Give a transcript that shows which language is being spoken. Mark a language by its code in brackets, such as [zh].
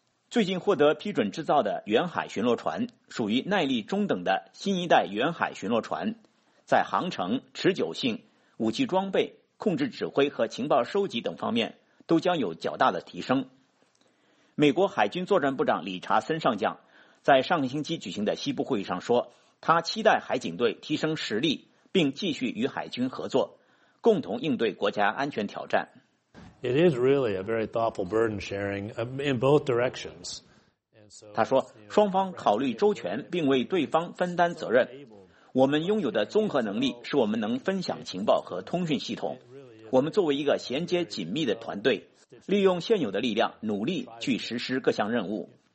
[zh] 最近获得批准制造的远海巡逻船属于耐力中等的新一代远海巡逻船，在航程、持久性、武器装备、控制指挥和情报收集等方面都将有较大的提升。美国海军作战部长理查森上将在上个星期举行的西部会议上说，他期待海警队提升实力，并继续与海军合作，共同应对国家安全挑战。 [en] It is really a very thoughtful burden sharing in both directions. [zh] 他说，双方考虑周全，并为对方分担责任。我们拥有的综合能力使我们能分享情报和通讯系统。我们作为一个衔接紧密的团队，利用现有的力量努力去实施各项任务。